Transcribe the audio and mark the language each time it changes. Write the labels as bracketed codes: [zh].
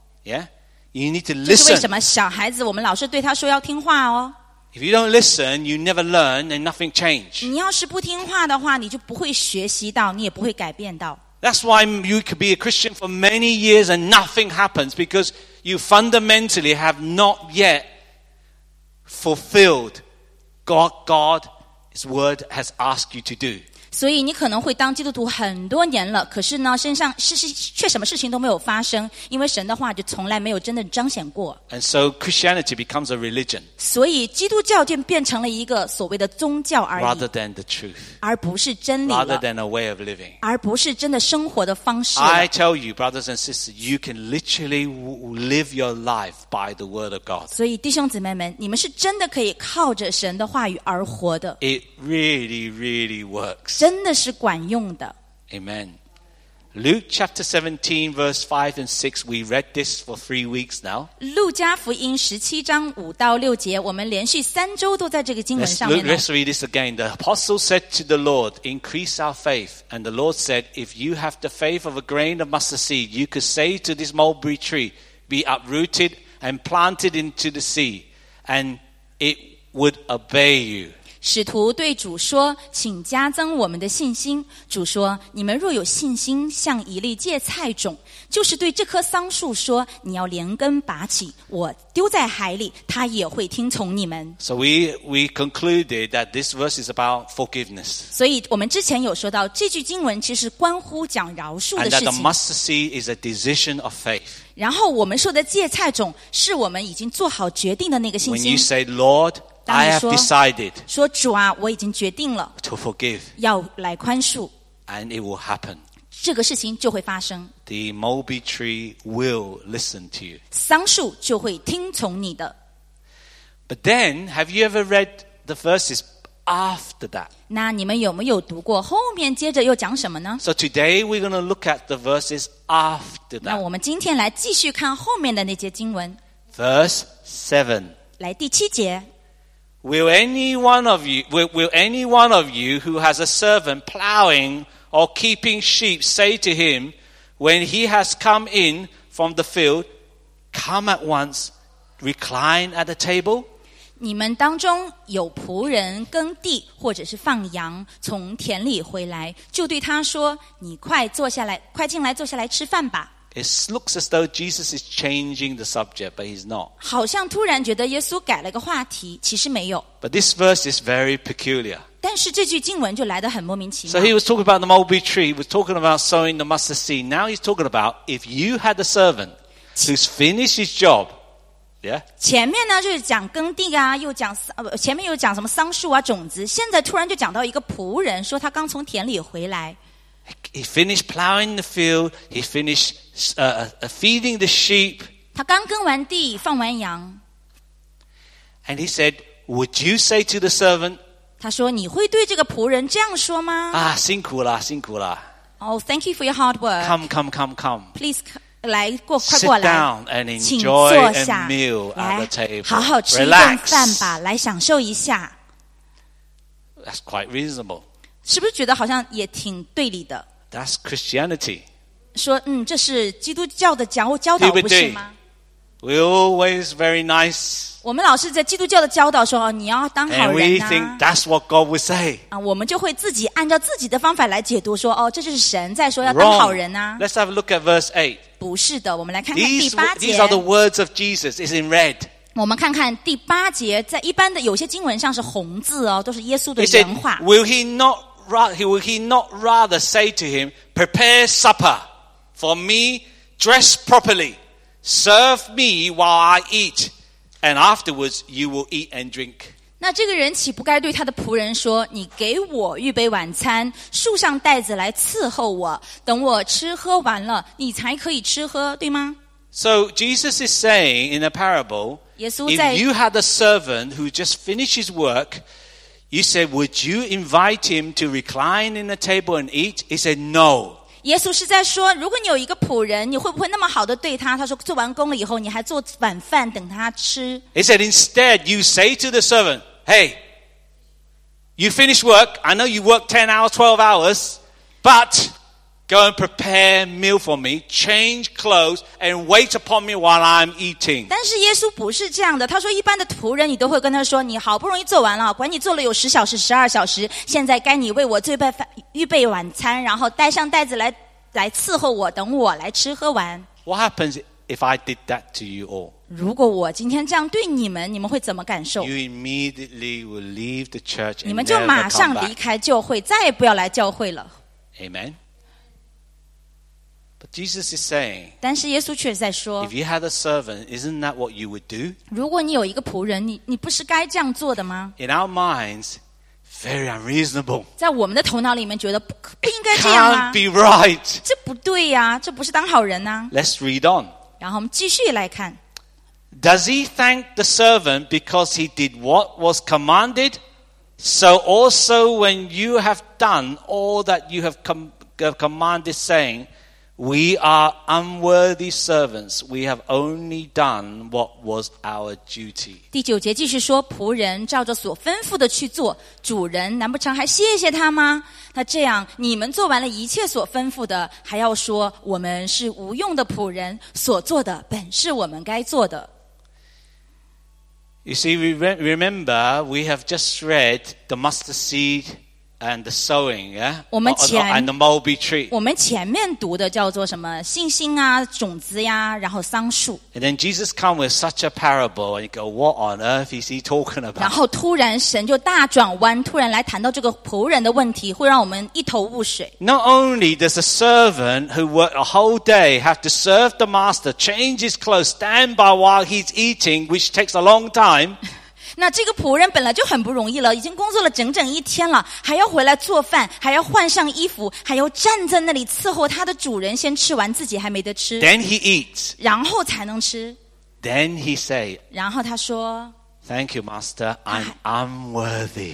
[en] Yeah, you need to listen. [zh] 这是为什么小孩子我们老是对他说要听话哦。 [en] If you don't listen, you never learn, and nothing changes. [zh] 你要是不听话的话，你就不会学习到，你也不会改变到。 [en] That's why you could be a Christian for many years and nothing happens because you fundamentally have not yet fulfilled God's word has asked you to do. [zh] 所以你可能会当基督徒很多年了，可是呢，身上却什么事情都没有发生，因为神的话就从来没有真的彰显过。 [en] And so Christianity becomes a religion. [zh] 所以基督教就变成了一个所谓的宗教而已。 [en] Rather than the truth. [zh] 而不是真理了。 [en] Rather than a way of living. [zh] 而不是真的生活的方式了。 [en] I tell you, brothers and sisters, you can literally live your life by the word of God. [zh] 所以弟兄姊妹们，你们是真的可以靠着神的话语而活的。 [en] It really, really works. [zh] 真的是管用的。 [en] Amen. Luke chapter 17, verse 5 and 6, we read this for 3 weeks now. [zh] 路加福音17章5到6节，我们连续三周都在这个经文上面。 [en] Let's read this again. The apostle said to the Lord, increase our faith. And the Lord said, if you have the faith of a grain of mustard seed, you could say to this mulberry tree, be uprooted and planted into the sea, and it would obey you. [zh] 使徒对主说，请加增我们的信心。主说，你们若有信心像一粒芥菜种，就是对这棵桑树说，你要连根拔起，我丢在海里，他也会听从你们。 [en] So we concluded that this verse is about forgiveness. [zh] 所以我们之前有说到，这句经文其实关乎讲饶恕的事情。 [en] And that the mustard seed is a decision of faith. [zh] 然后我们说的芥菜种是我们已经做好决定的那个信心。 [en] When you say Lord,I have decided [zh] 说主啊，我已经决定了 [en] to forgive, [zh] 要来宽恕 [en] and it will happen. [zh] 这个事情就会发生 [en] The mulberry tree will listen to you. [zh] 桑树就会听从你的 [en] But then, have you ever read the verses after that? [zh] 那你们有没有读过后面接着又讲什么呢 [en] So today we're going to look at the verses after that. [zh] 那我们今天来继续看后面的那节经文 [en] Verse 7 [zh] 来第七节 [en] Will any one of you who has a servant plowing or keeping sheep say to him, when he has come in from the field, come at once, recline at the table? [zh] 你们当中有仆人耕地或者是放羊从田里回来，就对他说，你快坐下来，快进来坐下来吃饭吧。 [en] It looks as though Jesus is changing the subject, but he's not. [zh] 好像突然觉得耶稣改了个话题，其实没有。 [en] But this verse is very peculiar. [zh] 但是这句经文就来得很莫名其妙。 [en] So he was talking about the mulberry tree, he was talking about sowing the mustard seed. Now he's talking about if you had a servant who's finished his job, yeah? [zh] 前面呢就是讲耕地啊，又讲，前面又讲什么桑树啊，种子，现在突然就讲到一个仆人，说他刚从田里回来。 [en] He finished plowing the field. He finished feeding the sheep. [zh] 他刚耕完地，放完羊。 [en] And he said, "Would you say to the servant?" [zh] 他说，你会对这个仆人这样说吗？啊，辛苦了，辛苦了。 [en] Oh, thank you for your hard work. Come, come, come, come. Please, [zh] 来过，快过来。 [en] Sit down and enjoy a meal at the table. [zh] 好好吃一顿饭吧，来享受一下。 [en] That's quite reasonable. [zh] 是不是觉得好像也挺对理的 [en] That's Christianity [zh] 说嗯，这是基督教的 教导不是吗 [en] We always very nice [zh] 我们老是在基督教的教导说你要当好人、啊、 [en] And we think that's what God would say、 [zh] 啊、我们就会自己按照自己的方法来解读说哦，这就是神在说要当好人、啊、 [en] Let's have a look at verse 8 [zh] 不是的我们来看看第八节 [en] these are the words of Jesus It's in red [zh] 我们看看第八节在一般的有些经文上是红字哦，都是耶稣的原话 [en] He said, Will he not Will he not rather say to him, prepare supper for me, dress properly, serve me while I eat, and afterwards you will eat and drink. [zh] 那这个人岂不该对他的仆人说，你给我预备晚餐，束上带子来伺候我，等我吃喝完了，你才可以吃喝，对吗？ [en] So Jesus is saying in a parable, [zh] 耶稣在 [en] if you had a servant who just finished his work,You said, would you invite him to recline in a table and eat? He said, no. [zh] 耶稣是在说，如果你有一个仆人，你会不会那么好的对他？他说，做完工了以后，你还做晚饭等他吃。 [en] He said, instead, you say to the servant, hey, you finish work. I know you work 10 hours, 12 hours, but go and prepare meal for me, change clothes, and wait upon me while I'm eating. [zh] 但是耶稣不是这样的，他说一般的仆人你都会跟他说，你好不容易做完了，管你做了有10小时、12小时，现在该你为我预备晚餐，然后带上袋子来伺候我，等我来吃喝完。 [en] What happens If I did that to you all, [zh] 如果我今天这样对你们，你们会怎么感受？ [en] You immediately will leave the church and [zh] 你们就马上离开教会，再也不要来教会了。 [en] Amen. But Jesus is saying, [zh] 但是耶稣却在说， [en] If you had a servant, isn't that what you would do? [zh] 如果你有一个仆人，你不是该这样做的吗？ [en] In our minds, very unreasonable. [zh] 在我们的头脑里面觉得 不应该这样啊。 [en] It can't be right. [zh] 这不对啊，这不是当好人啊。 [en] Let's read on. [zh] 然后我们继续来看。 [en] Does he thank the servant because he did what was commanded? So also when you have done all that you have commanded, saying, We are unworthy servants. We have only done what was our duty. [zh] 第九节继续说，仆人照着所吩咐的去做，主人难不成还谢谢他吗？那这样，你们做完了一切所吩咐的，还要说我们是无用的仆人，所做的本是我们该做的。 [en] You see, remember, we have just read the mustard seed and the sowing, yeah? [zh] 我们前 [en] and the mulberry tree. [zh] 我们前面读的叫做什么？信心啊，种子呀，然后桑树。 [en] And then Jesus comes with such a parable, and you go, "What on earth is he talking about?" [zh] 然后突然神就大转弯，突然来谈到这个仆人的问题，会让我们一头雾水。 [en] Not only does a servant who worked a whole day have to serve the master, change his clothes, stand by while he's eating, which takes a long time. [zh] 那这个仆人本来就很不容易了，已经工作了整整一天了，还要回来做饭，还要换上衣服，还要站在那里伺候他的主人先吃完自己还没得吃。 [en] Then he eats. [zh] 然后才能吃。 [en] Then he say. [zh] 然后他说。 [en] Thank you, Master. I'm unworthy.